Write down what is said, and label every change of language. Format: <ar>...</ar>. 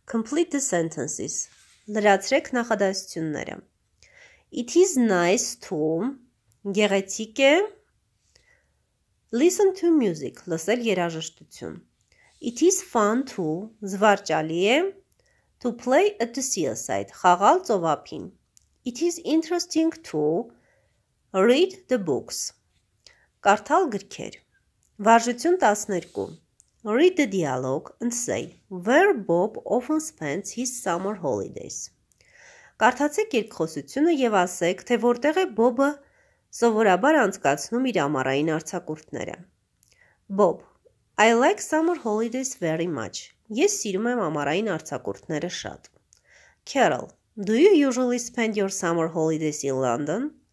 <en>Complete the sentences.</en> <hy>Լրացրեք նախադասությունները։</hy> <en>It is nice to</en> <hy>գեղեցիկ է</hy> <en>listen to music,</en> <hy>լսել երաժշտություն։</hy> <en>It is fun to</en> <hy>զվարճալի է</hy> <en>to play at the seaside,</en> <hy>խաղալ ծովափին։</hy> <en>It is interesting to read the books.</en> <hy>Կարդալ գրքեր։ Վարժություն 12.</hy> <en>Read the dialogue and say where Bob often spends his summer holidays.</en> <hy>Կարդացեք երկխոսությունը եւ ասեք, թե որտեղ է Bob-ը սովորաբար անցկացնում իր ամառային արձակուրդները։</hy> <en>Bob, I like summer holidays very much.</en> <hy>Ես սիրում եմ ամառային արձակուրդները շատ։</hy> <en>Carol, do you usually spend your summer holidays in London?</en>